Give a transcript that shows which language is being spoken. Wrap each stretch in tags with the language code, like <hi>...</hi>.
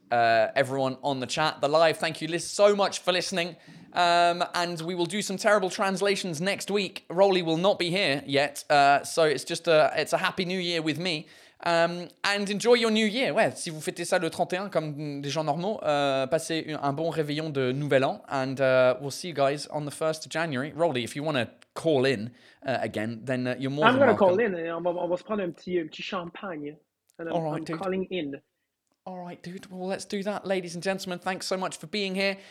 <en>Everyone on the chat, the live, thank you so much for listening. And we will do some terrible translations next week. Rolly will not be here yet. So it's just it's a happy new year with me. And enjoy your new year.</en> <fr>Ouais, si vous fêtez ça le 31 comme des gens normaux, passez un bon réveillon de nouvel an.</fr> <en>And we'll see you guys on the 1st of January. Rolly, if you want to call in again, then you're more I'm than welcome. I'm going to call in.</en> <fr>On va se prendre un petit champagne.</fr> <en>All right, I'm calling in. All right, dude. Well, let's do that. Ladies and gentlemen, thanks so much for being here.</en>